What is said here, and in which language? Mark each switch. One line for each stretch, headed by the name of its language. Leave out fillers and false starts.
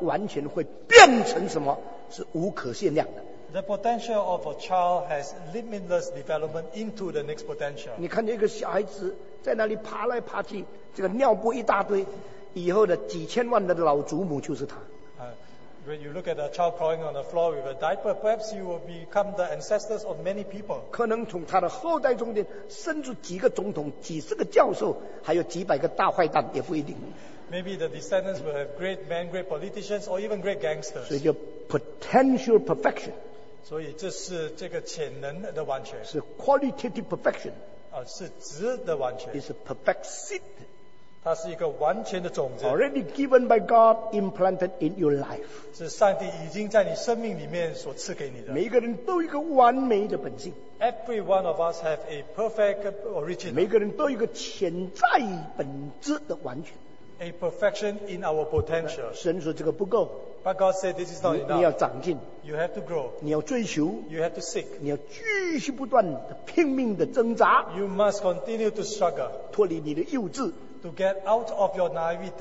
Chinese: 一个不懂事的孩子，隐藏着最有潜在能的天才基因的时候，他的完全会变成什么？是无可限量的。
English: The potential of a child has limitless development into the next potential.
Chinese: 你看那个小孩子在那里爬来爬去，这个尿布一大堆，以后的几千万的老祖母就是他。
English: When you look at a child crawling on the floor with a diaper, perhaps you will become the ancestors of many people.
Chinese: 可能从他的后代中间生出几个总统、几十个教授，还有几百个大坏蛋，也不一定。
English: Maybe the descendants will have great men, great politicians, or even great gangsters.
Chinese: 所以叫
English: potential perfection.
Chinese: 所以这是这个潜能的完全。是
English: qualitative perfection.
Chinese: 是质的完全。
English: It's a perfect seed.
Chinese: 它是一个完全的种子。
English: Already given by God, implanted in your life.
Chinese: 是上帝已经在你生命里面所赐给你的。每个人都有一个完美的本性。
English: Every one of us have a perfect origin.
Chinese: 每个人都有一个潜在本质的完全。
English: A perfection in our potential.
Chinese: 神说这个不够。
English: But God said this is not enough.
Chinese: 你要长进。
English: You have to grow.
Chinese: 你要追求。
English: You have to seek.
Chinese: 你要继续不断的拼命的挣扎。
English: You must continue to struggle.
Chinese: 脱离你的幼稚。
English: To get out of your naivety.